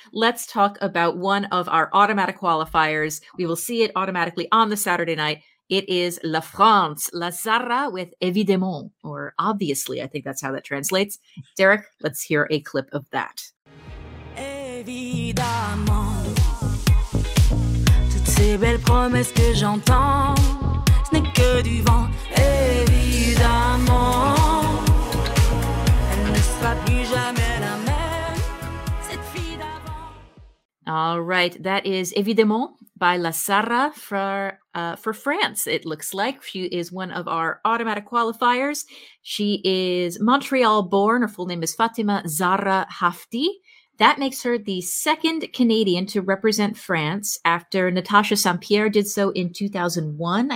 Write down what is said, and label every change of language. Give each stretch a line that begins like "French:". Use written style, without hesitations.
English: Let's talk about one of our automatic qualifiers. We will see it automatically on the Saturday night. It is La France, La Zara with Évidemment, or obviously, I think that's how that translates. Derek, let's hear a clip of that.
French: Évidemment. Ces belles promesses que j'entends, ce n'est que du vent, évidemment. Elle ne sera plus jamais la même, cette fille d'avant.
English: All right, that is Évidemment by La Zara for France, it looks like. She is one of our automatic qualifiers. She is Montreal-born, her full name is Fatima Zara Hafti. That makes her the second Canadian to represent France after Natasha St-Pierre did so in 2001.